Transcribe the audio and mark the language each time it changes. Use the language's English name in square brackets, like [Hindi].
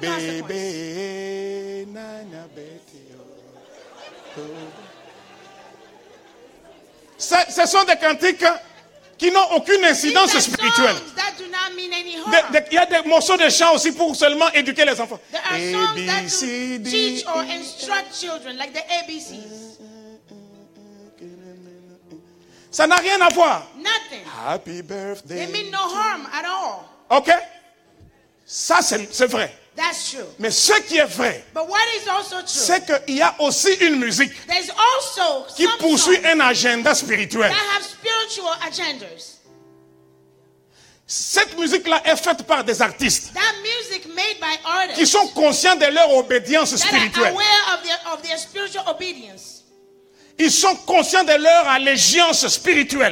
[English] consequence. [French] Ce sont des cantiques qui n'ont aucune incidence spirituelle. Il y a des morceaux de chants aussi pour seulement éduquer les enfants. [English] There are songs that do teach or instruct children, like the ABCs. [French] Ça n'a rien à voir. [English] Nothing. Happy birthday. They mean no harm at all. [French] OK? Ça, c'est vrai. [English] That's true. [French] Mais ce qui est vrai, c'est qu'il y a aussi une musique qui poursuit un agenda spirituel. [English] That have spiritual agendas. [French] Cette musique-là est faite par des artistes [English] that music made by artists [French] qui sont conscients de leur obédience spirituelle. [English] That are aware of their spiritual obedience. [French] Ils sont conscients de leur allégeance spirituelle.